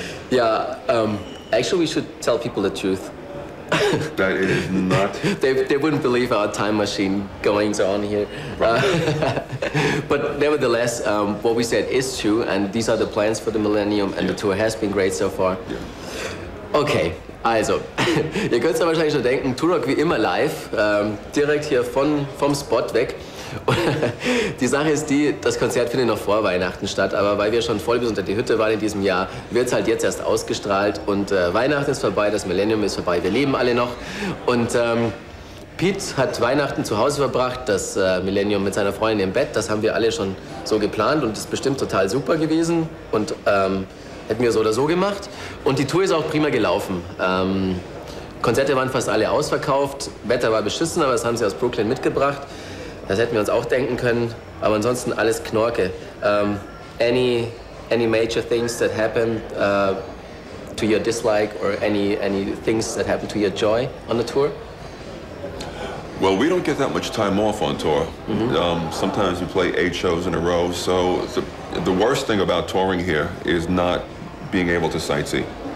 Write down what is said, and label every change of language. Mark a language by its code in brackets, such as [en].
[en] Yeah, actually, we should tell people the truth. That is not... they wouldn't believe our time machine going on here. Right. But nevertheless, what we said is true, and these are the plans for the millennium, and the tour has been great so far. Yeah. [de] Okay, also, ihr könnt es ja wahrscheinlich schon denken, 2Rock wie immer live, direkt hier vom Spot weg. Die Sache ist die, das Konzert findet noch vor Weihnachten statt, aber weil wir schon voll bis unter die Hütte waren in diesem Jahr, wird es halt jetzt erst ausgestrahlt und Weihnachten ist vorbei, das Millennium ist vorbei, wir leben alle noch. Und Pete hat Weihnachten zu Hause verbracht, das Millennium mit seiner Freundin im Bett, das haben wir alle schon so geplant und ist bestimmt total super gewesen und hätten wir so oder so gemacht. Und die Tour ist auch prima gelaufen. Konzerte waren fast alle ausverkauft, Wetter war beschissen, aber das haben sie aus Brooklyn mitgebracht. Das hätten wir uns auch denken können, aber ansonsten alles Knorke. [en] Any major things that happened to your dislike or any things that happened to your joy on the tour? Well, we don't get that much time off on tour. Mm-hmm. Sometimes we play 8 shows in a row, so the worst thing about touring here is not being able to sightsee.